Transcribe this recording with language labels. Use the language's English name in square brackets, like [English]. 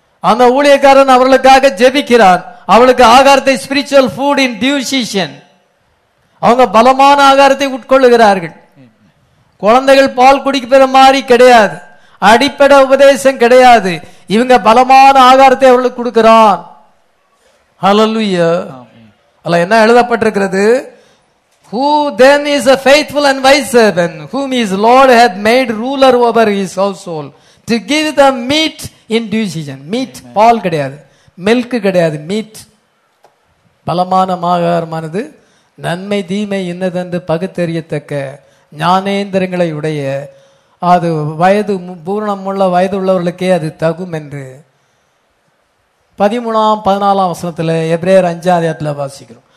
[Tamil] அந்த ஊழியக்காரன் அவர்களுக்காக ஜெபிக்கிறான். அவளுக்கு ஆகாரத்தை, [English] Spiritual food in due season. [Tamil] அவங்க பலமான ஆகாரத்தை உட்கொள்ளுகிறார்கள். குழந்தைகள் பால் குடிக்கிற மாதிரி கிடையாது. அடிப்படை உபதேசம் கிடையாது. இவங்க பலமான ஆகாரத்தை அவர்களுக்கு கொடுக்கிறான். ஹல்லேலூயா. அல்ல, என்ன எழுதப்பட்டிருக்கிறது? [English] Who then is a faithful and wise servant whom his Lord hath made ruler over his household to give them meat in due season. [Tamil] Meat, பால் கிடையாது, மில்க் கிடையாது, மீட். பலமான ஆகாரமானது நன்மை தீமை இன்னதென்று பகுத்தறியத்தக்க ஞானேந்திரங்களை உடைய, அது வயது பூரணமுள்ள வயது உள்ளவர்களுக்கே அது தகும் என்று 13-14 வசனத்தில் எப்ரேயர் 5 அதில் வாசிக்கிறோம்.